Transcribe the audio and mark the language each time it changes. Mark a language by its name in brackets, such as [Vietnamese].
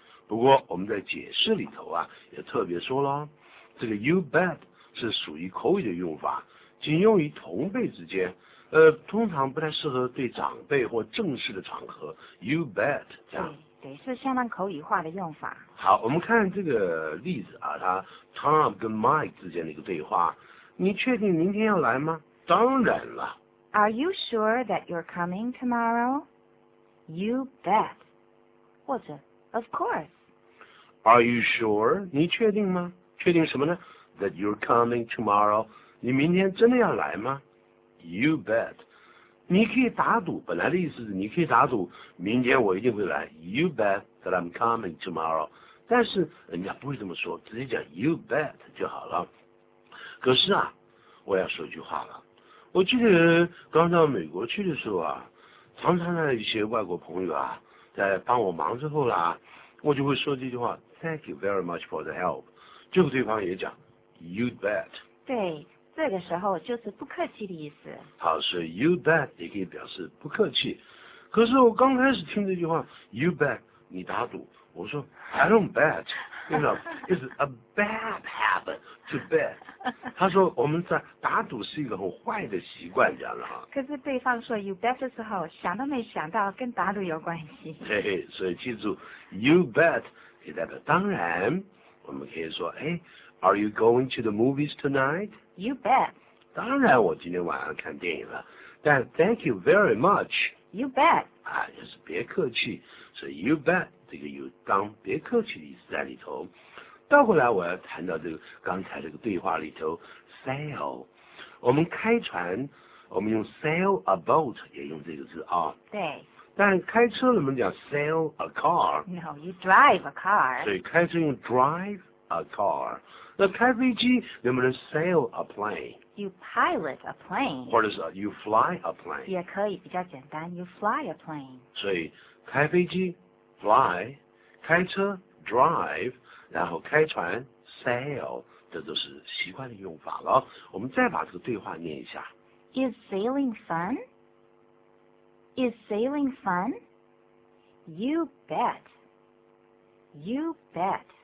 [Chinese] 不过我们在解释里头啊，也特别说了，这个 you bet 是属于口语的用法，仅用于同辈之间，通常不太适合对长辈或正式的场合 you bet 这样。对，是相当口语化的用法。好，我们看这个例子啊，他 Tom 跟 Mike 之间的一个对话。你确定明天要来吗？当然了。 [English] Are you sure that you're coming tomorrow? You bet. [Chinese] 或者 [English] Of course. Are you sure? [Chinese] 你确定吗？确定什么呢？ [English] That you're coming tomorrow. [Chinese] 你明天真的要来吗？ [English] You bet. [Chinese] 你可以打赌，本来的意思是你可以打赌明天我一定会来， [English] You bet that I'm coming tomorrow， [Chinese] 但是人家不会这么说，直接讲 You bet 就好了。可是啊，我要说一句话了，我记得刚到美国去的时候啊，常常的一些外国朋友啊在帮我忙之后啦，我就会说这句话， [English] Thank you very much for the help， [Chinese] 最后对方也讲 [English] You bet。 [Chinese] 对，这个时候就是不客气的意思。好，所以 you bet 也可以表示不客气。可是我刚开始听这句话 [English] you bet [Chinese] 你打赌，我说 [English] I don't bet， you know， it's a bad habit to bet。 [Chinese] 他说我们在打赌是一个很坏的习惯，这样的。可是对方说 you bet 的时候，想都没想到跟打赌有关系。对，所以记住 you bet 也代表当然。我们可以说，哎， [English] are you going to the movies tonight? You bet. [Chinese] 当然我今天晚上看电影了，但 [English] thank you very much. You bet. [Chinese] 啊，就是别客气，所以 you bet 这个有当别客气的意思在里头。倒过来我要谈到这个刚才这个对话里头 sail， 我们开船我们用 sail a boat 也用这个字啊。对，但开车我们讲 sail a car。 [English] No, you drive a car. [Chinese] 所以开车用 driveA car. 那开飞机能不能 sail a plane? [English] You pilot a plane. 或者是 you fly a plane. [Chinese] 也可以，比较简单， [English] you fly a plane. [Chinese] 所以开飞机 fly， 开车 drive， 然后开船 sail， 这都是习惯的用法了。我们再把这个对话念一下。 [English] Is sailing fun? Is sailing fun? You bet. You bet.